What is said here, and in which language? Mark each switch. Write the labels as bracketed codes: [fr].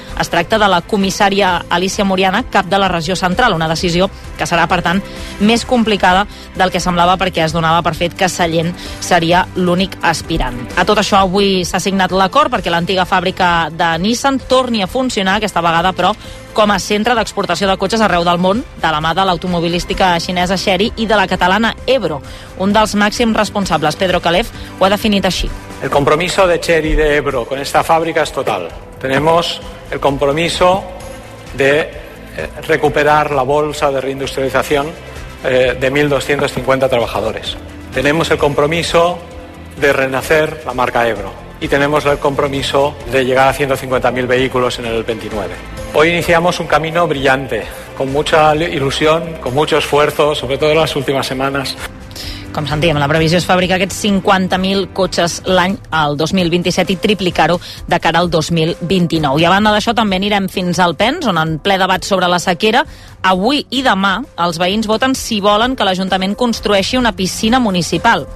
[ca] Es tracta de la comissària Alicia Moriana, cap de la regió central, una decisió que serà, per tant, més complicada del que semblava perquè es donava per fet que Sallent seria l'únic aspirant. A tot això, avui s'ha signat l'acord perquè l'antiga fàbrica de Nissan torni a funcionar, aquesta vegada, però com a centre d'exportació de cotxes arreu del món, de la mà de l'automobilística xinesa Chery i de la catalana Ebro. Un dels màxims responsables, Pedro Calef, ho ha definit així. [es] El compromiso de Chery y de Ebro con esta fábrica es total. Tenemos el compromiso de recuperar la bolsa de reindustrialización de 1.250 trabajadores. Tenemos el compromiso de renacer la marca Ebro. Y tenemos el compromiso de llegar a 150.000 vehículos en el 29. Hoy iniciamos un camino brillante, con mucha ilusión, con mucho esfuerzo, sobre todo en las últimas semanas. [ca] Com sentíem, la previsió és fabricar aquests 50.000 cotxes l'any al 2027 i triplicar-ho de cara al 2029. I a banda d'això, també anirem fins al Pens, on en ple debat sobre la sequera, avui i demà els veïns voten si volen que l'Ajuntament construeixi una piscina municipal.